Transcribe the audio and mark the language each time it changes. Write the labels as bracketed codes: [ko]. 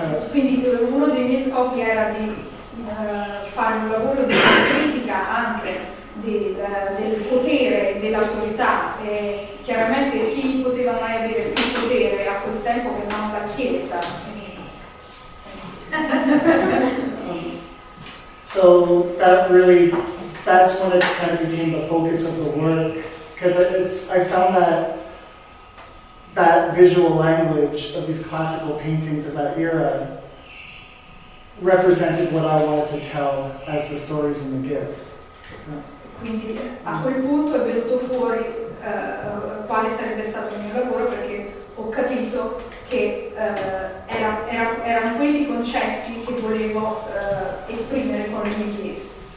[it] Quindi uno dei miei scopi era di fare un lavoro di critica anche del potere, dell'autorità, e chiaramente chi poteva mai avere più potere a quel tempo che non la Chiesa. [en] So that really, that's when it kind of became the focus of the work, because I found that visual language of these classical paintings of that era represented what I wanted to tell as the stories in the gift. [it] Quindi a quel punto è venuto fuori quale sarebbe stato il mio lavoro, perché ho capito che erano quelli i concetti che volevo esprimere con i miei gifs.